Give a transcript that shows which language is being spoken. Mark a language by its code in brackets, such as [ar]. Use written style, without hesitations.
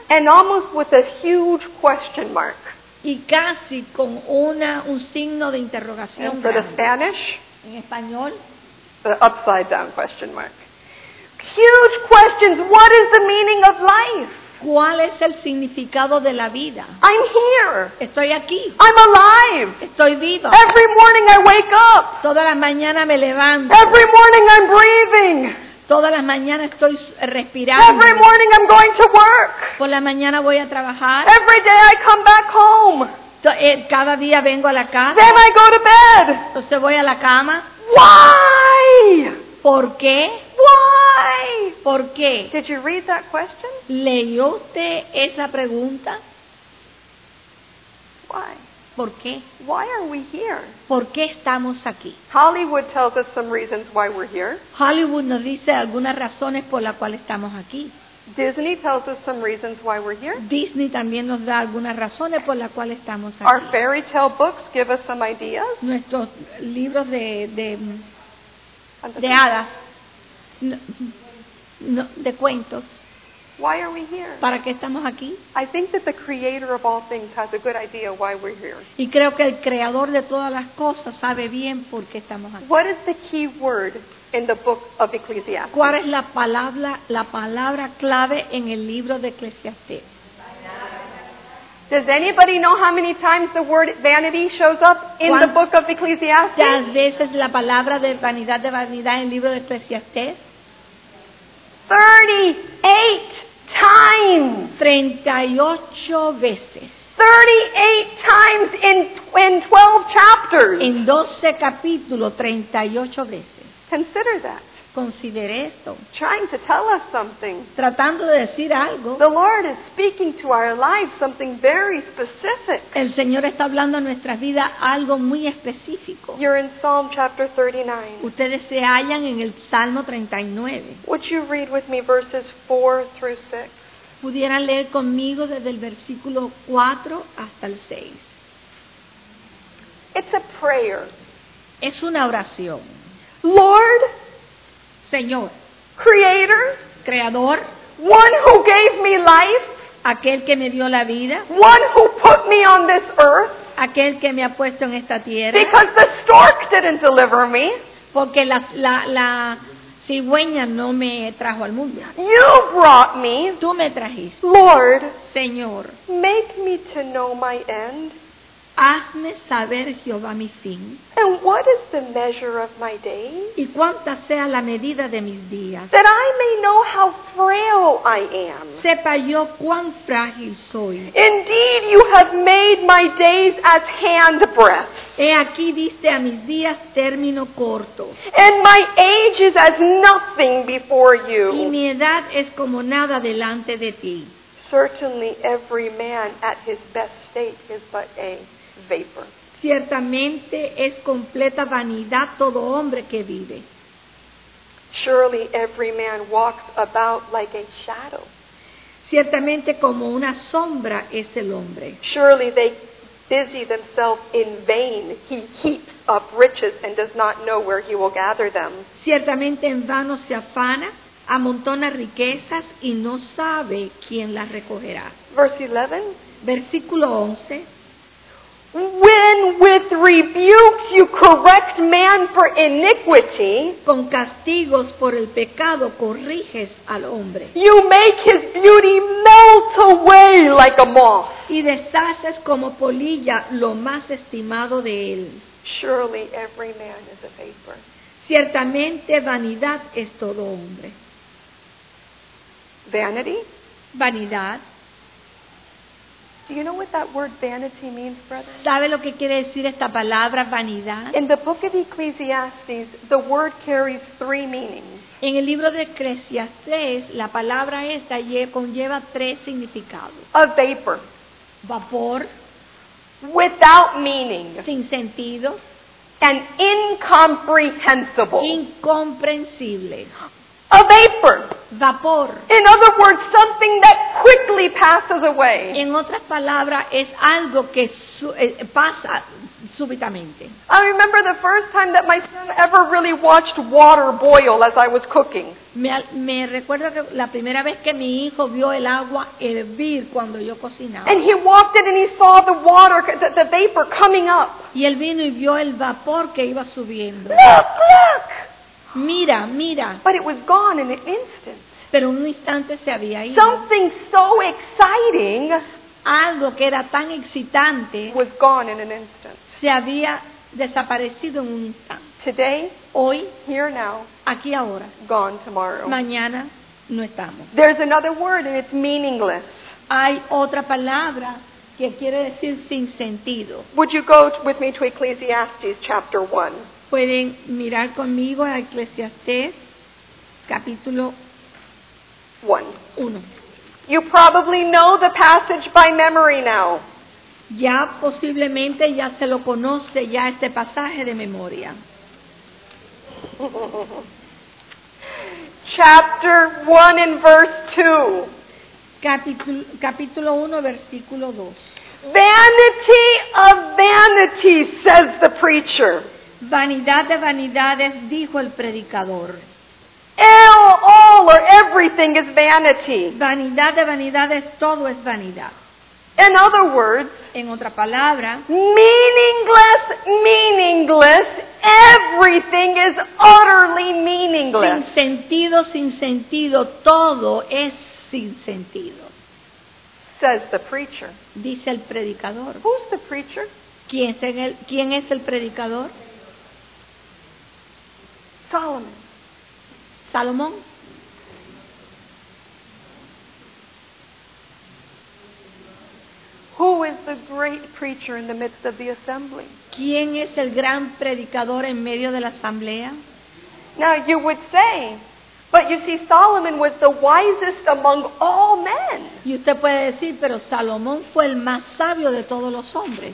[en] And almost with a huge question mark. [es] Y casi con un signo de interrogación. [en] And for [es] grande. [en] The Spanish. [es] En español. [en] The upside down question mark. Huge questions. What is the meaning of life? [es] ¿Cuál es el significado de la vida? [en] I'm here. [es] Estoy aquí. [en] I'm alive. [es] Estoy vivo. [en] Every morning I wake up. [es] Toda la mañana me levanto. [en] Every morning I'm breathing. [es] Todas las mañanas estoy respirando. [en] Every morning I'm going to work. [es] Por la mañana voy a trabajar. [en] Every day I come back home. [es] Cada día vengo a la casa. [en] Then I go to bed. [es] Entonces voy a la cama. [en] Why? [es] ¿Por qué? [en] Why? [es] ¿Por qué? [en] Did you read that question? [es] ¿Leyó usted esa pregunta? [en] Why? [es] ¿Por qué? [en] Why are we here? [es] ¿Por qué estamos aquí? [en] Hollywood tells us some reasons why we're here. [es] Hollywood nos dice algunas razones por las cuales estamos aquí. [en] Disney tells us some reasons why we're here. [es] Disney también nos da algunas razones por las cuales estamos aquí. [en] Our fairy tale books give us some ideas. [es] Nuestros libros de hadas, no, de cuentos. [en] Why are we here? [es] ¿Para qué estamos aquí? [en] I think that the creator of all things has a good idea why we're here. [es] Y creo que el creador de todas las cosas sabe bien por qué estamos aquí. [en] What is the key word in the book of Ecclesiastes? [es] ¿Cuál es la palabra clave en el libro de Eclesiastés? [en] Does anybody know how many times the word vanity shows up in the book of Ecclesiastes? [es] ¿Cuántas veces la palabra de vanidad en el libro de Eclesiastés? [en] 38 times. [es] 38 veces. [en] 38 times in 12 chapters. [es] En 12 capítulos, 38 veces. [en] Consider that. [es] Considere esto. [en] Trying to tell us something. [es] Tratando de decir algo. [en] The Lord is speaking to our lives something very specific. [es] El Señor está hablando a nuestras vidas algo muy específico. [en] You're in Psalm chapter 39. [es] Ustedes se hallan en el Salmo 39. [en] Would you read with me verses 4 through 6? [es] ¿Pudieran leer conmigo desde el versículo 4 hasta el 6? [en] It's a prayer. [es] Es una oración. [en] Lord, [es] Señor, [en] Creator, [es] Creador, [en] One who gave me life, [es] aquel que me dio la vida, [en] One who put me on this earth, [es] aquel que me ha puesto en esta tierra, [en] because the stork didn't deliver me, [es] porque la cigüeña no me trajo al mundo. [en] You brought me, [es] tú me trajiste. [en] Lord, [es] Señor, [en] make me to know my end, [es] hazme saber, Jehová, mi fin. [en] And what is the measure of my days? [es] ¿Y cuánta sea la medida de mis días? [en] That I may know how frail I am. [es] Sepa yo cuán frágil soy. [en] Indeed, you have made my days as handbreadth. [es] He aquí diste a mis días término corto. [en] And my age is as nothing before you. [es] Y mi edad es como nada delante de ti. [en] Certainly, every man at his best state is but a vapor. [es] Ciertamente es completa vanidad todo hombre que vive. [en] Surely every man walks about like a shadow. [es] Ciertamente como una sombra es el hombre. [en] Surely they busy themselves in vain. He heaps up riches and does not know where he will gather them. [es] Ciertamente en vano se afana, amontona riquezas y no sabe quién las recogerá. [en] Verse 11. [es] Versículo 11. [en] When with rebukes you correct man for iniquity, [es] con castigos por el pecado corriges al hombre, [en] you make his beauty melt away like a moth, [es] y deshaces como polilla lo más estimado de él. [en] Surely every man is a vapor. [es] Ciertamente vanidad es todo hombre. [en] Vanity? [es] Vanidad. [en] Do you know what that word vanity means, brother? [es] ¿Sabe lo que quiere decir esta palabra vanidad? [en] In the book of Ecclesiastes, the word carries 3 meanings. [es] En el libro de Eclesiastés, la palabra esta conlleva 3 significados. [en] A vapor. [es] Vapor. [en] Without meaning. [es] Sin sentido. [en] And incomprehensible. [es] Incomprensible. [en] A vapor. [es] Vapor. [en] In other words, something that quickly passes away. [es] En otras palabras, es algo que pasa súbitamente. [en] I remember the first time that my son ever really watched water boil as I was cooking. [es] Me recuerdo que la primera vez que mi hijo vio el agua hervir cuando yo cocinaba. [en] And he walked in and he saw the water, the vapor coming up. [es] Y él vino y vio el vapor que iba subiendo. [en] Look, look. [es] Mira, mira. [en] But it was gone in an instant. [es] Pero un instante se había ido. [en] Something so exciting, [es] algo que era tan excitante, [en] was gone in an instant. [es] Se había desaparecido en un instante. [en] Today, [es] hoy, [en] here now, [es] aquí ahora, [en] gone tomorrow. [es] Mañana no estamos. [en] There's another word and it's meaningless. [es] Hay otra palabra que quiere decir sin sentido. [en] Would you go with me to Ecclesiastes chapter 1? [es] Pueden mirar conmigo a Eclesiastés capítulo 1. [en] You probably know the passage by memory now. [es] Ya posiblemente ya se lo conoce ya este pasaje de memoria. [en] Chapter 1 and verse 2. [es] Capítulo 1, versículo 2. [en] Vanity of vanities, says the preacher. [es] Vanidad de vanidades, dijo el predicador. [en] All or everything is vanity. [es] Vanidad de vanidades, todo es vanidad. [en] In other words, [es] en otra palabra, [en] meaningless, meaningless, everything is utterly meaningless. [es] Sin sentido, todo es sin sentido. [en] Says the preacher. [es] Dice el predicador. [en] Who's the preacher? [es] ¿Quién es el predicador? [en] Solomon. [es] Salomón. [en] Who is the great preacher in the midst of the assembly? [es] ¿Quién es el gran predicador en medio de la asamblea? [en] Now you would say, but you see, Solomon was the wisest among all men. [es] Y usted puede decir, pero Salomón fue el más sabio de todos los hombres.